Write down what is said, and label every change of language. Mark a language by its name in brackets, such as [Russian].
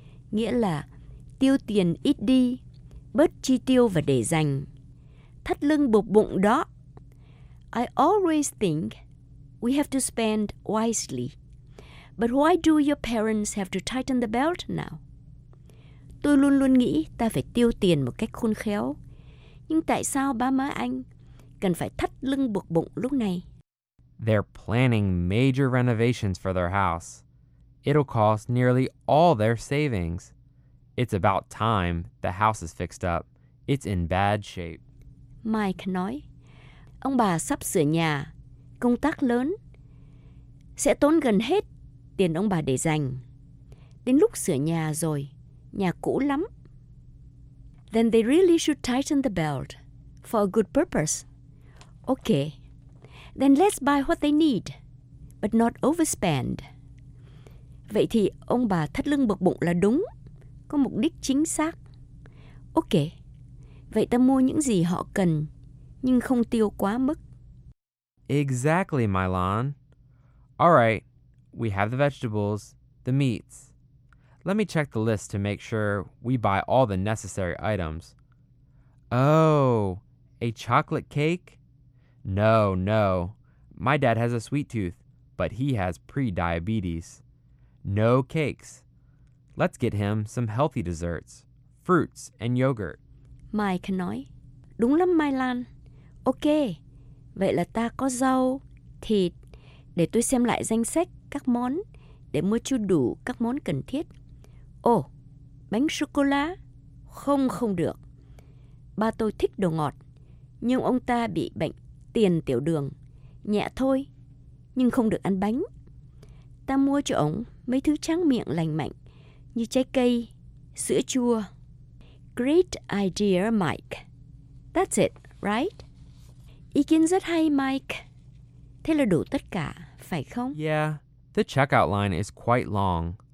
[Vietnamese] Nghĩa là tiêu tiền ít đi, bớt chi tiêu và để dành. Thắt lưng buộc bụng đó. [English] I always think we have to spend wisely. But why do your parents have to tighten the belt now? [Vietnamese] Tôi luôn luôn nghĩ ta phải tiêu tiền một cách khôn khéo. Nhưng tại sao ba má anh cần phải thắt lưng buộc bụng lúc này? [English] They're planning major renovations for their house. It'll cost nearly all their savings. It's about time the house is fixed up. It's in bad shape. [Vietnamese] Mike nói, ông bà sắp sửa nhà, công tác lớn. Sẽ tốn gần hết tiền ông bà để dành. Đến lúc sửa nhà rồi. Nhà cũ lắm. [English] Then they really should tighten the belt for a good purpose. Okay. Then let's buy what they need, but not overspend. [Vietnamese] Vậy thì ông bà thắt lưng buộc bụng là đúng, có mục đích chính xác. Okay. Vậy ta mua những gì họ cần, nhưng không tiêu quá mức. [English] Exactly, Mylon. All right. We have the vegetables, the meats. Let me check the list to make sure we buy all the necessary items. Oh, a chocolate cake? No, no. My dad has a sweet tooth, but he has pre-diabetes. No cakes. Let's get him some healthy desserts, fruits and yogurt. [Vietnamese] Mike nói, đúng lắm Mai Lan. Ok, vậy là ta có rau, thịt. Để tôi xem lại danh sách các món để mua cho đủ các món cần thiết. Ồ, bánh sô-cô-la? Không, không được. Ba tôi thích đồ ngọt, nhưng ông ta bị bệnh tiền tiểu đường. Nhẹ thôi, nhưng không được ăn bánh. Ta mua cho ông mấy thứ tráng miệng lành mạnh, như trái cây, sữa chua. [English] Great idea, Mike. That's it, right? [Vietnamese] Ý kiến rất hay, Mike. Thế là đủ tất cả, phải không? [English] Yeah, the checkout line is quite long.